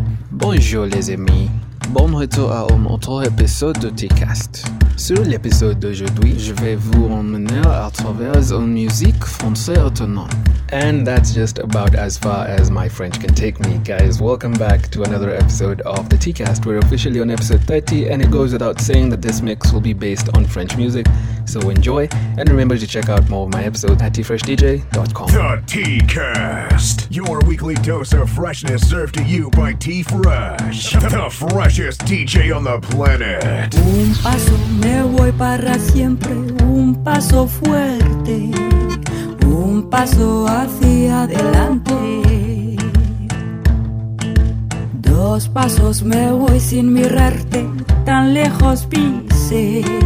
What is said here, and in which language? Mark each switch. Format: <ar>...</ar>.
<fr>Bonjour les amis, bon retour à un autre épisode de T-Cast. Sur l'épisode d'aujourd'hui, je vais vous emmener à travers une musique française étonnante.</fr> <en>And that's just about as far as my French can take me. Guys, welcome back to another episode of the T-Cast. We're officially on episode 30, and it goes without saying that this mix will be based on French music. So enjoy, and remember to check out more of my episodes at tfreshdj.com. The T-Cast, your weekly dose of freshness served to you by T-Fresh, the freshest DJ on the planet.</en> <es>Un paso, me voy para siempre, un paso fuerte. Un paso hacia adelante. Dos pasos me voy sin mirarte, tan lejos pisé.</es>